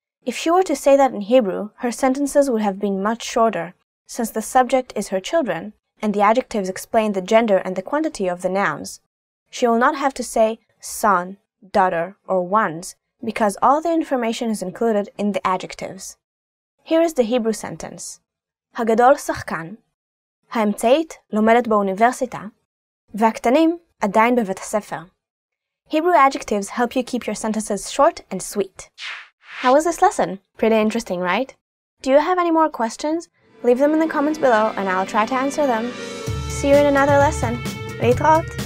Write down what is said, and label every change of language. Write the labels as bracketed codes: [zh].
[en] If she were to say that in Hebrew, her sentences would have been much shorter, since the subject is her children, and the adjectives explain the gender and the quantity of the nouns. She will not have to say son, daughter, or ones, because all the information is included in the adjectives. Here is the Hebrew sentence. [he] הגדול שחקן, האמצעית לומדת באוניברסיטה, והקטנים עדיין בבית הספר. [en] Hebrew adjectives help you keep your sentences short and sweet. How was this lesson? Pretty interesting, right? Do you have any more questions? Leave them in the comments below and I'll try to answer them. See you in another lesson. Leitrot!